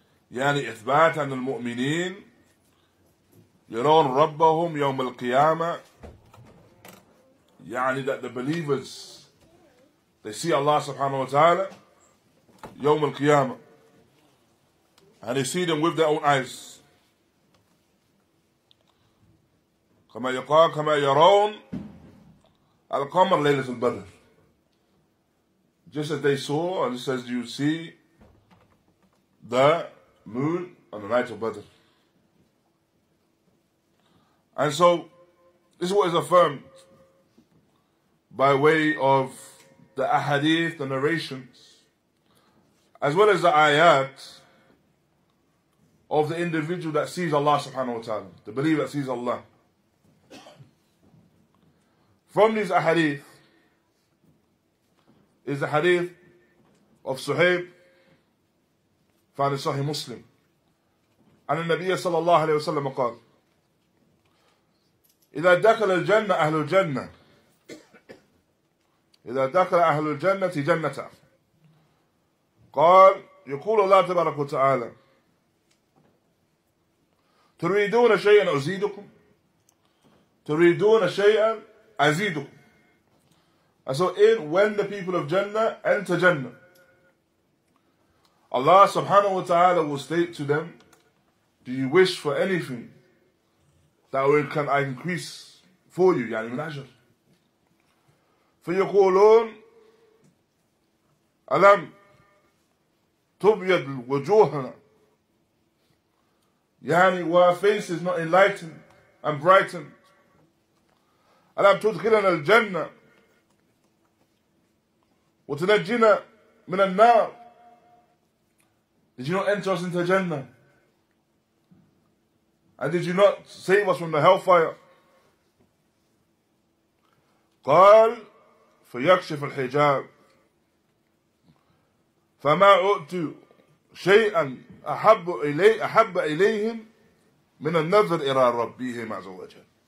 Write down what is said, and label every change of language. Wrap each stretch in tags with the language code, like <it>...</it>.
<ar>Yani ithbat an al-mu'mineen yaroon rabbahum yawm al-qiyamah.</ar> <en>Yani that the believers, they see Allah subhanahu wa ta'ala</en> <ar>yawm al-qiyamah.</ar> <en>And they see them with their own eyes.</en> <ar>كما يقال كما يرون القمر ليلة البدر.</ar> <en>Just as they saw, and just as you see, the moon on the night of Badr. And so, this is what is affirmed by way of the ahadith, the narrations, as well as the ayat of the individual that sees Allah subhanahu wa ta'ala, the believer that sees Allah. From these ahadith, is the hadith of Suhaib found in Sahih Muslim. And the Nabiya sallallahu alayhi wa sallam qal,</en> <ar>إِذَا دَكَلَ الْجَنَّةِ أَهْلُ الْجَنَّةِ إِذَا دَكَلَ أَهْلُ الْجَنَّةِ جَنَّةَ قال يقول الله تبارك وتعالى تريدون شيئا أزيدكم تريدون شيئا أزيدكم.</ar> <en>And so in when the people of Jannah enter Jannah, Allah subhanahu wa ta'ala will state to them, do you wish for anything that will can I increase for you,</en> <ar>Yani min ajr? فيقولون ألم تبيض وجوهنا يعني</ar> <en>our face is not enlightened and brightened</en> <ar>ألم تدخلنا الجنة وتنجينا من النار.</ar> <en>Did you not enter us into Jannah? And did you not save us from the hellfire?</en> <ar>قال فيكشف الحجاب فما أؤت شيئا أحب إليهم من النظر إلى ربهم عز وجل.</ar>